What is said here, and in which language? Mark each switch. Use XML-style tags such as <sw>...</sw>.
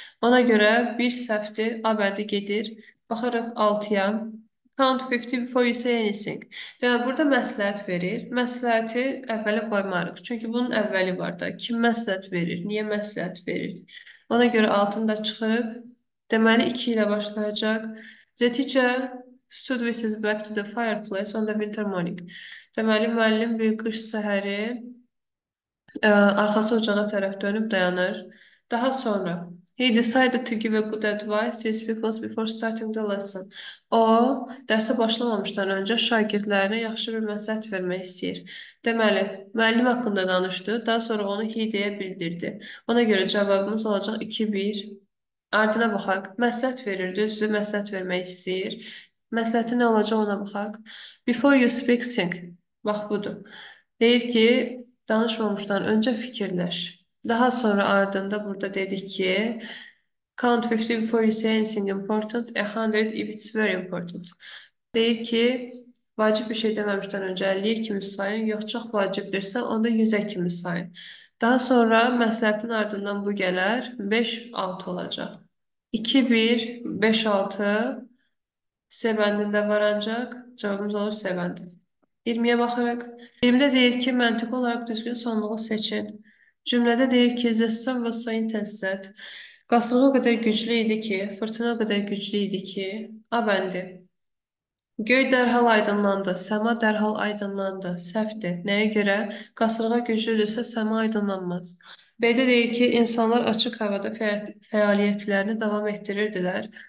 <az>Ona göre bir səhvdir, A bəndi gedir. Baxırıq 6'ya.</az> <en>Count 50 before you say anything.</en> <az>Yani burada məsləhət verir. Məsləhəti əvvəli qoymarıq. Çünki bunun əvvəli var da. Kim məsləhət verir? Niyə məsləhət verir? Ona göre altını da çıxırıq. Deməli 2 ilə başlayacaq.</az> <en>The teacher stood with his back to the fireplace on the winter morning.</en> <az>Deməli müəllim bir qış səhəri arxası ocağa tərəf dönüb dayanır. Daha sonra</az> <en>He decided to give a good advice to his pupils before starting the lesson.</en> <az>O, dərsə başlamamışdan öncə şagirdlərinə yaxşı bir məsləhət vermək istəyir. Deməli, müəllim haqqında danışdı, daha sonra onu Hideyə bildirdi. Ona görə cavabımız olacaq 2-1. Ardına baxaq. Məsləhət verir, düzdür, məsləhət vermək istəyir. Məsləhəti nə olacaq ona baxaq.</az> <en>Before you speak,</en> <az>bax budur. Deyir ki, danışmamışdan öncə fikirlər. Daha sonra ardında burada dedik ki,</az> <en>Count 50 before you say anything important, 100 if it's very important.</en> <az>Deyir ki, vacib bir şey dememişten önce 50'ye kimi sayın, yok çok vacibdirsen onda 100'e kimi sayın. Daha sonra məsləhətin ardından bu gələr, 5-6 olacak. 2-1, 5-6, S bəndində var ancak, cevabımız olur S bəndi. 20'ye bakarak, 20'de deyir ki, məntiq olarak düzgün sonluğu seçin. Cümlədə deyir ki,</az> <en>the storm was so intense that</en> <az>qasırğa o qədər güclü idi ki, fırtına o qədər güclü idi ki, A bəndi. Göy dərhal aydınlandı, səma dərhal aydınlandı, səhvdir. Nəyə görə? Qasırğa güclüdürsə, səma aydınlanmaz. B-də deyir ki, insanlar açıq havada fəaliyyətlərini davam etdirirdilər.</az>